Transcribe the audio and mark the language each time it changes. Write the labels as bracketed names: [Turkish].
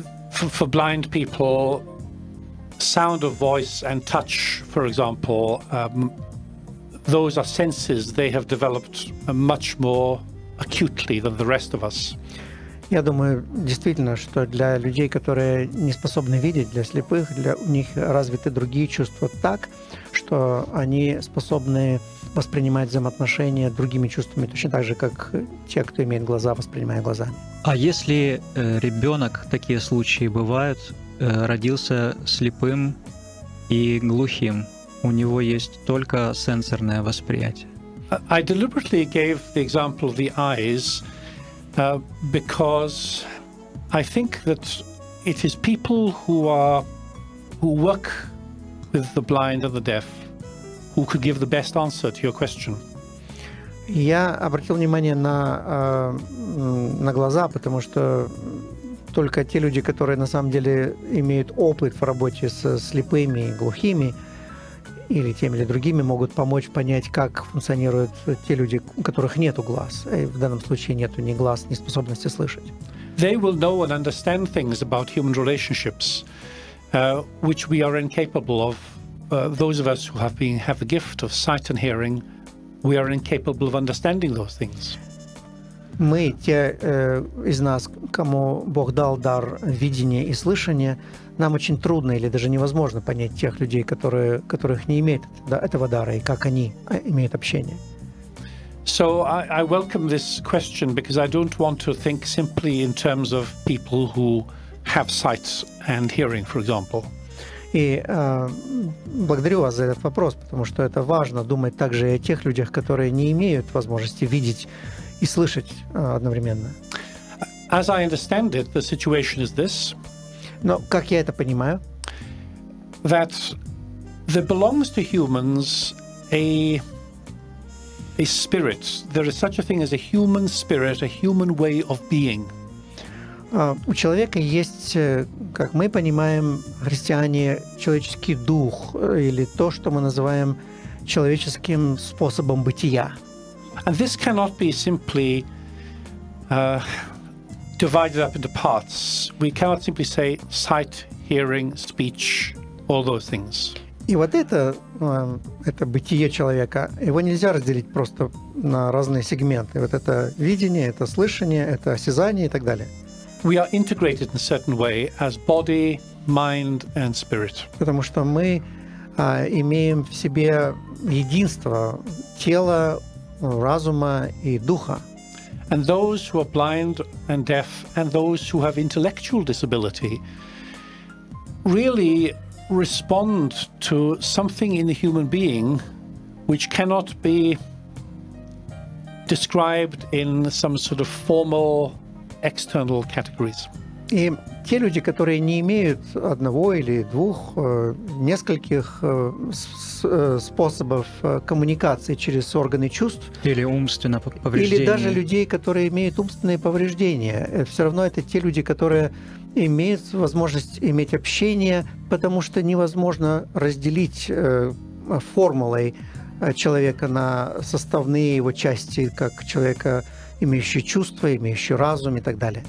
[English] For blind people, sound of voice and touch, for example, those are senses they have developed much more acutely than the rest of us. [Russian] Я думаю, действительно, что для людей, которые не способны видеть, для слепых, для у них развиты другие чувства так, что они способны воспринимать взаимоотношения другими чувствами, точно так же, как те, кто имеет глаза, воспринимая глазами. А если ребенок, такие случаи бывают, родился слепым и глухим, у него есть только сенсорное восприятие? [English] I deliberately gave the example of the eyes because I think that it is people who work with the blind and the deaf who could give the best answer to your question. [Russian] Я обратил внимание на глаза, потому что только те люди, которые на самом деле имеют опыт в работе со слепыми и глухими, или теми или другими, могут помочь понять, как функционируют те люди, у которых нет глаз. И в данном случае нет ни глаз, ни способности слышать. [English] They will know and understand things about human relationships, which we are incapable of. Those of us who have the gift of sight and hearing, we are incapable of understanding those things. [Russian] мы, те из нас, кому Бог дал дар видения и слышания, нам очень трудно или даже невозможно понять тех людей, которые, которых не имеют этого дара, и как они имеют общение. [English] So I welcome this question because I don't want to think simply in terms of people who have sight and hearing, for example. [Russian] И благодарю вас за этот вопрос, потому что это важно думать также и о тех людях, которые не имеют возможности видеть и слышать одновременно. [English] As I understand it, the situation is this. [Russian] Но как я это понимаю? [English] That there belongs to humans a spirit. There is such a thing as a human spirit, a human way of being. [Russian] У человека есть, как мы понимаем, христиане, человеческий дух или то, что мы называем человеческим способом бытия. [English] And this cannot be simply divided up into parts. We cannot simply say sight, hearing, speech, all those things. [Russian] И вот это бытие человека, его нельзя разделить просто на разные сегменты. Вот это видение, это слышание, это осязание и так далее. [English] We are integrated in a certain way as body, mind and spirit. [Russian] Потому что мы имеем в себе единство тела, разума и духа. [English] And those who are blind and deaf and those who have intellectual disability really respond to something in the human being which cannot be described in some sort of formal external categories. [Russian] И те люди, которые не имеют одного или двух, нескольких способов коммуникации через органы чувств. Или умственное повреждение. Или даже людей, которые имеют умственные повреждения. Все равно это те люди, которые имеют возможность иметь общение, потому что невозможно разделить формулой человека на составные его части, как человека, имеющий чувства, имеющий разум и так далее.